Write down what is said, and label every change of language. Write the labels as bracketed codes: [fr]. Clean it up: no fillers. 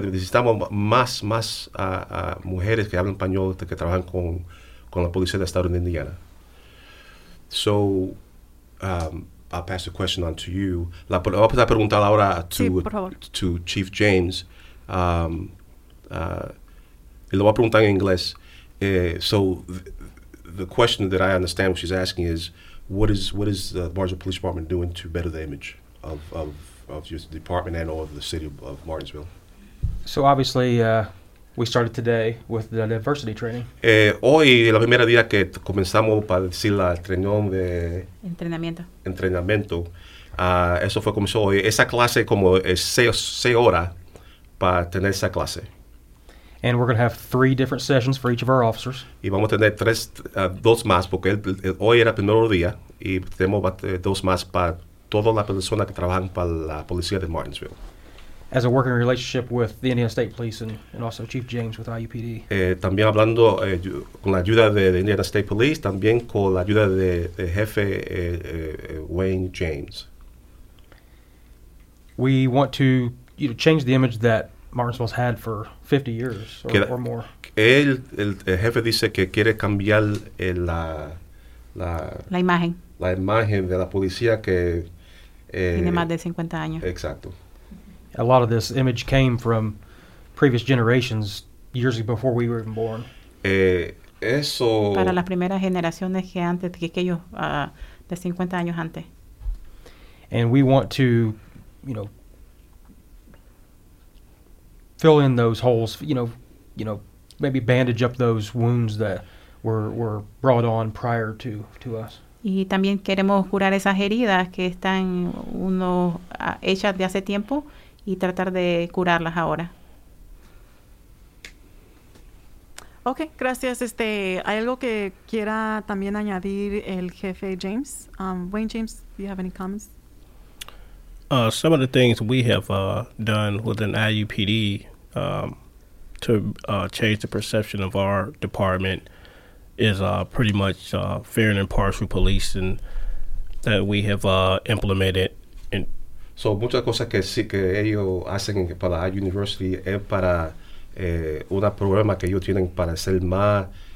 [es] necesitamos más mujeres que hablan español que trabajan con la policía de Estado de Indiana. [en] So I'll pass the question on to you. [es] Voy a pasar a preguntar ahora to Chief James. Y lo voy a preguntar en inglés. [en] So the question that I understand what she's asking is, what is the Martinsville Police Department doing to better the image of your department and or of the city of Martinsville? So obviously, we started today with the diversity training. [es] Hoy es la primera día que comenzamos para decir la reunión de entrenamiento. Eso fue comenzó hoy. Esa clase como es seis horas para tener esa clase. [en] And we're going to have three different sessions for each of our officers. [es] Y vamos a tener tres, dos más, porque hoy era el primer día, y tenemos dos más para todas las personas que trabajan para la policía de Martinsville. [en] As a working relationship with the Indiana State Police and also Chief James with IUPD. [es] También hablando con la ayuda de Indiana State Police, también con la ayuda de jefe Wayne James. [en] We want to change the image that Martinsville's had for 50 years or more. [es] El jefe dice que quiere cambiar la imagen. La imagen de la policía que tiene más de 50 años. Exacto. [en] A lot of this image came from previous generations, years before we were even born. [es] Eso para las primeras generaciones que antes que aquellos de 50 años antes. [en] And we want to, fill in those holes, maybe bandage up those wounds that were brought on prior to us. [es] Y también queremos curar esas heridas que están hechas de hace tiempo y tratar de curarlas ahora. Okay, gracias. ¿Hay algo que quiera también añadir el jefe James? [en] Wayne James, do you have any comments? Some of the things we have done within IUPD to change the perception of our department is pretty much fair and impartial policing that we have implemented. And [es] so muchas cosas que sí que ellos hacen para la university es para un problema que ellos tienen para ser más